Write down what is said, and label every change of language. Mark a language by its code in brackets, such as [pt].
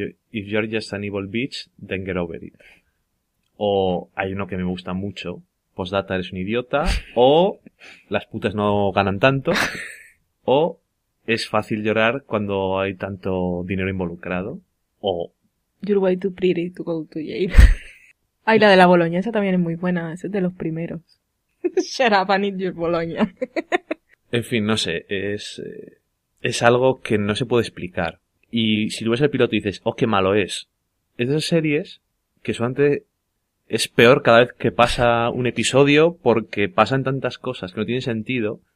[en] If you're just an evil bitch, then get over it. [es] O hay uno que me gusta mucho. Postdata eres un idiota. O las putas no ganan tanto. O es fácil llorar cuando hay tanto dinero involucrado. O... [en] You're way too pretty to go to jail. [es] Ay, la de la boloñesa también es muy buena. Esa es de los primeros. [en] Shut up and eat your boloña. [es] En fin, no sé, es algo que no se puede explicar. Y si tú ves el piloto y dices, oh, qué malo es. Es de esas series que solamente es peor cada vez que pasa un episodio porque pasan tantas cosas que no tienen sentido.